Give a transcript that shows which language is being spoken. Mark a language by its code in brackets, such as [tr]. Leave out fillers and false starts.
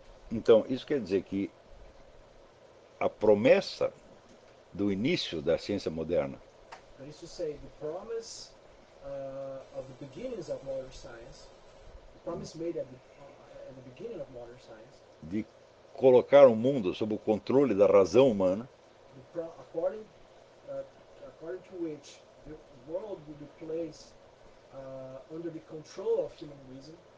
[pt] Então isso quer dizer que a promessa do início da ciência moderna. [en] That is to say, the promise of the beginnings of modern science, the promise made at the beginning of modern science, [pt] de colocar o mundo sob o controle da razão humana, [en] according to which the world would be placed under the control of human reason,